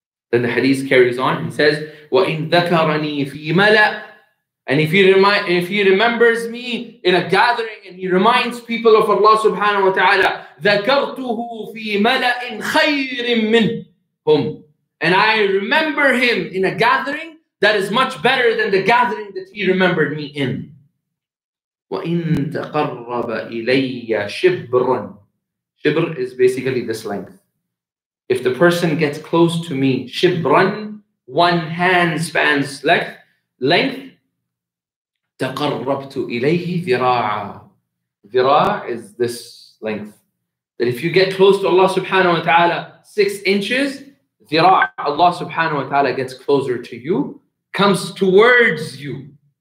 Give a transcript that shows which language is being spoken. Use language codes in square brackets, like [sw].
[en] Then the hadith carries on and says, [ar] وَإِنْ ذَكَرَنِي فِي مَلَأْ, [en] and if he remembers me in a gathering and he reminds people of Allah subhanahu wa ta'ala, [ar] ذَكَرْتُهُ فِي مَلَأٍ خَيْرٍ مِّنْهُمْ, [en] and I remember him in a gathering that is much better than the gathering that he remembered me in. [ar] وَإِن تَقَرَّبَ إِلَيَّ شِبْرٌ, شِبْر [en] is basically this length. If the person gets close to me, شِبْرٌ, one hand spans length, [ar] تَقَرَّبْتُ إِلَيْهِ ذِرَاعًا. [en] ذِرَاع is this length. That if you get close to Allah subhanahu wa ta'ala 6 inches, Allah subhanahu wa ta'ala gets closer to you, comes towards you.